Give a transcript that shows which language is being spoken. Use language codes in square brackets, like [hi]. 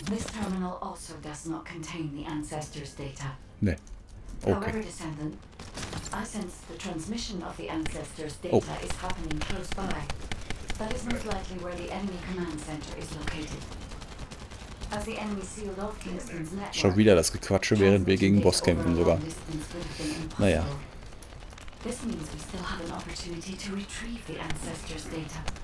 [en] This terminal also does not contain the ancestors data. Ne. Okay. However, descendant, I sense the transmission of the ancestors' data is happening close by. That is most likely where the enemy command center is located. As the enemy sealed off Kingston's network. [de] Schon wieder das Gequatsche, während wir gegen Boss kämpfen sogar. Naja. [en] This means we still have an opportunity to retrieve the ancestors' data.